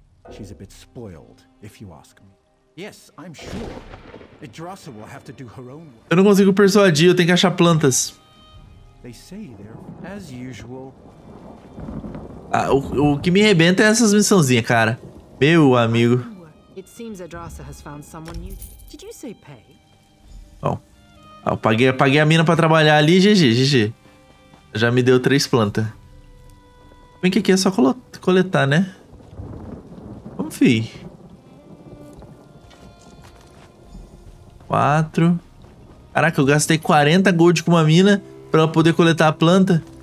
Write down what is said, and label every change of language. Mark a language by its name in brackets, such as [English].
[English] She's a bit spoiled, if you ask me. Yes, I'm sure. Idrassa will have to do her own work. [Portuguese] Eu não consigo persuadir, eu tenho que achar plantas. [English] They say they're as usual. [Portuguese] Ah, o que me arrebenta é essas missãozinhas, cara. Meu amigo. [English] It seems Idrassa has found someone new. Did you say pay? Bom. [Portuguese] Ah, eu paguei a mina pra trabalhar ali, GG. Já me deu 3 plantas. Bem que aqui é só coletar, né? Vamos ver. 4. Caraca, eu gastei 40 gold com uma mina pra ela poder coletar a planta.